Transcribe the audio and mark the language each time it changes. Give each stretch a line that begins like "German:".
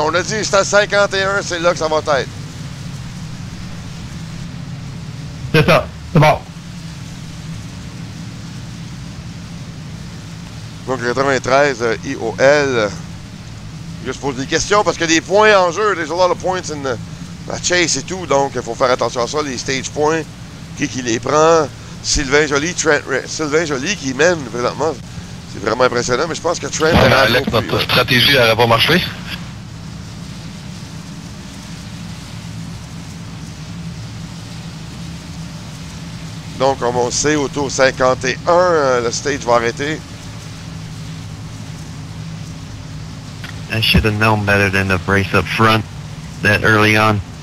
French: On a dit, c'est à 51, c'est là que ça va être. C'est ça. C'est bon. Donc, 93, IOL. Je pose des questions parce que des points en jeu.
English: There's a lot of points in the chase
French: et tout. Donc, il faut faire attention à ça, les stage points. Qui les prend? Sylvain Joly, Trent Ray. Sylvain Joly qui mène présentement. C'est vraiment impressionnant, mais je pense que Trent a rajouté. Notre stratégie n'aurait pas marché. Donc, comme on sait, au tour 51, le stage va arrêter.
English: I should have known better than to brace up front that early on.